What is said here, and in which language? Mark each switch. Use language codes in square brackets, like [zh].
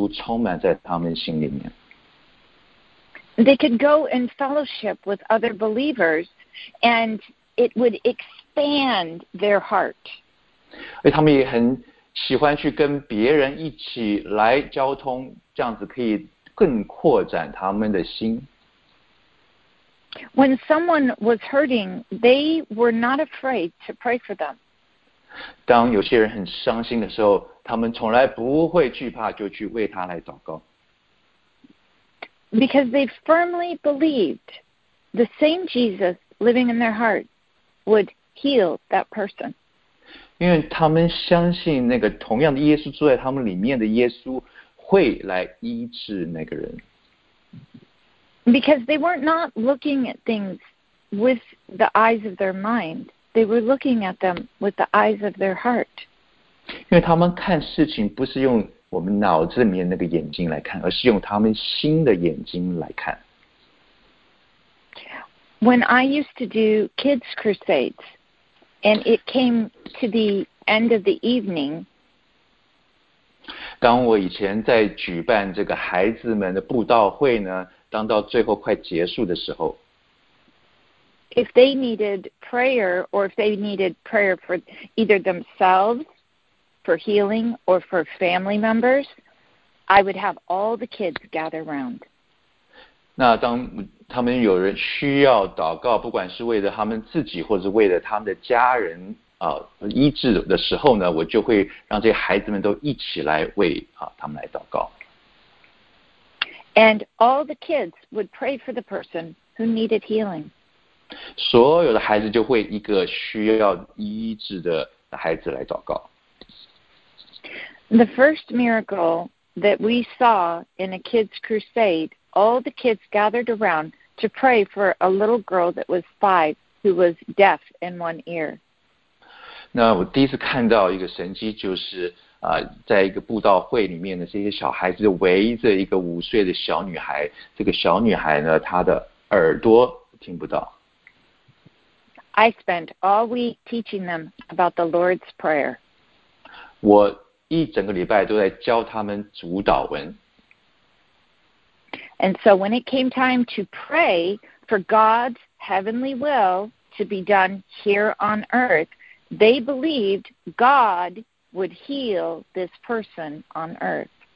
[zh] 他们喜欢进到耶稣的家里，因为他们会得到更多的耶稣充满在他们心里面。 [en] They could go and fellowship with other believers, and it would expand their heart. [zh] 他们也很喜欢去跟别人一起来交通，这样子可以更扩展他们的心。 [en] When someone was hurting, they were not afraid to pray for them. [zh] 当有些人很伤心的时候，他们从来不会惧怕，就去为他来祷告。 [en] Because they firmly believed the same Jesus living in their heart would heal that person. [zh] 因为他们相信那个同样的耶稣住在他们里面的耶稣会来医治那个人。 [en] Because they were not looking at things with the eyes of their mind. They were looking at them with the eyes of their heart. [zh] 因为他们看事情不是用我们脑子里面那个眼睛来看，而是用他们心的眼睛来看。 [en] When I used to do kids' crusades, and it came to the end of the evening, [zh] 当我以前在举办这个孩子们的布道会呢，当到最后快结束的时候， [en] if they needed prayer, or if they needed prayer for either themselves, for healing, or for family members, I would have all the kids gather around. [zh] 那当他们有人需要祷告，不管是为了他们自己或者为了他们的家人啊医治的时候呢，我就会让这些孩子们都一起来为啊他们来祷告。 [en] And all the kids would pray for the person who needed healing. [zh] 所有的孩子就会一个需要医治的孩子来祷告。 [en] The first miracle that we saw in a kids' crusade. All the kids gathered around to pray for a little girl that was five who was deaf in one ear. [zh] 那我第一次看到一个神迹就是、在一个布道会里面的这些小孩子围着一个五岁的小女孩，这个小女孩呢，她的耳朵听不到。 [en] I spent all week teaching them about the Lord's Prayer. [zh] 我一整个礼拜都在教他们主祷文。 [en] And so when it came time to pray for God's heavenly will to be done here on earth, they believed God would heal this person on earth.